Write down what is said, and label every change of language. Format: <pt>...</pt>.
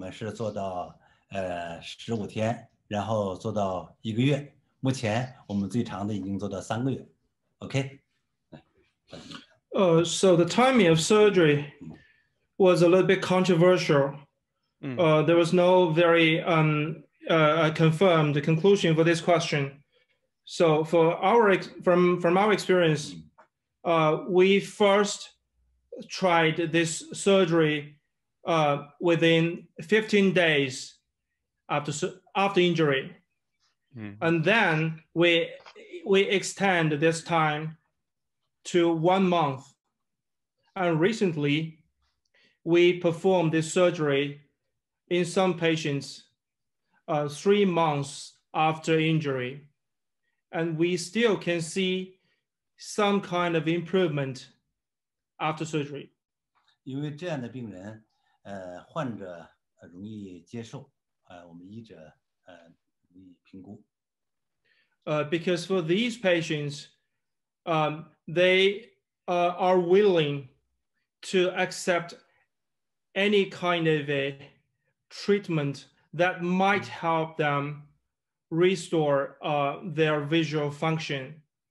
<zh>关于时间的问题，那么现在我们也在不断的探讨，不断的延长。我们最初我们是做到15天。然后做到一个月，目前我们最长的已经做到3个月。</zh> <en>Okay. So the timing of surgery was a little bit controversial. There was no very confirmed conclusion for this question. So for our from our experience, we first tried this surgery within 15 days after injury. And then we extend this time to 1 month. And recently, we performed this surgery in some patients 3 months after injury. And we still can see some kind of improvement after surgery.</en> <zh>因为这样的病人，患者容易接受，我们医者容易评估。</zh> <en>Because for these patients, they are willing to accept any kind of a treatment that might help them restore their visual function.</en>